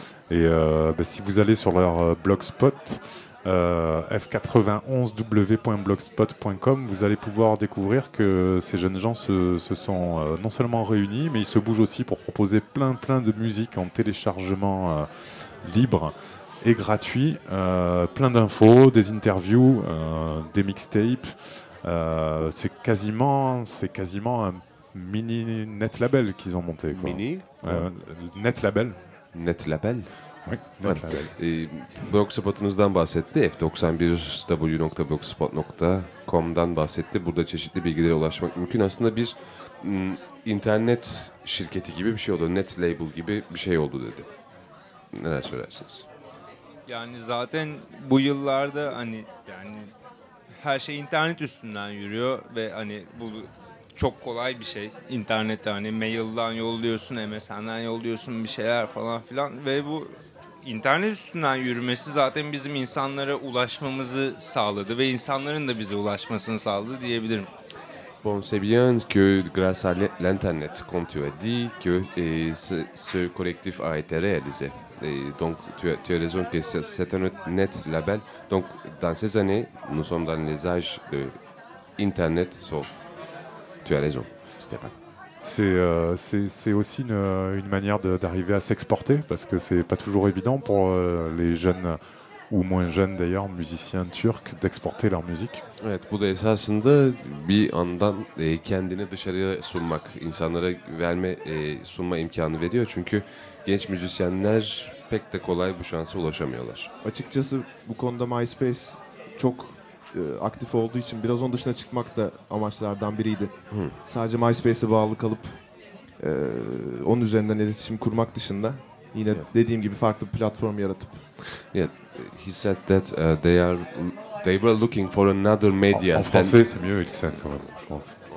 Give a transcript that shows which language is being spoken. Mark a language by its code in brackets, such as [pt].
[fr] Et si vous allez sur leur blogspot, f91w.blogspot.com, vous allez pouvoir découvrir que ces jeunes gens se sont non seulement réunis, mais ils se bougent aussi pour proposer plein de musique en téléchargement libre et gratuit, plein d'infos, des interviews, des mixtapes. C'est quasiment un mini net label qu'ils ont monté. Quoi. Mini Net label. Net label. Oui, [tr] blogspot'unuzdan bahsetti, f91w.blogspot.com'dan bahsetti. Burada çeşitli bilgilere ulaşmak mümkün. Aslında bir internet şirketi gibi bir şey oldu, net label gibi bir şey oldu dedi. Neler söylersiniz? Yani zaten bu yıllarda hani yani her şey internet üstünden yürüyor ve hani bu çok kolay bir şey. İnternette hani mail'dan yolluyorsun, MSN'den yolluyorsun bir şeyler falan filan ve bu internet üstünden yürümesi zaten bizim insanlara ulaşmamızı sağladı ve insanların da bize ulaşmasını sağladı diyebilirim. [fr] Bon, c'est bien que grâce à l'internet, comme tu as dit, que ce collectif a été réalisé. Donc tu as raison que c'est un net label. Donc dans ces années, nous sommes dans les âges de internet. So, tu as raison, Stéphane. C'est aussi une manière d'arriver à s'exporter, parce que c'est pas toujours évident pour les jeunes ou moins jeunes d'ailleurs musiciens turcs d'exporter leur musique. [tr] Evet, bu da esasında bir andan kendini dışarıya sunmak, insanlara verme sunma imkanı veriyor çünkü. Genç müzisyenler pek de kolay bu şansa ulaşamıyorlar. Açıkçası bu konuda MySpace çok aktif olduğu için biraz onun dışına çıkmak da amaçlardan biriydi. Hmm. Sadece MySpace'e bağlı kalıp onun üzerinden iletişim kurmak dışında yine dediğim gibi farklı bir platform yaratıp. [en] Yeah, he said that they were looking for another media. [fr] En français, c'est mieux, il s'en quand même, je pense.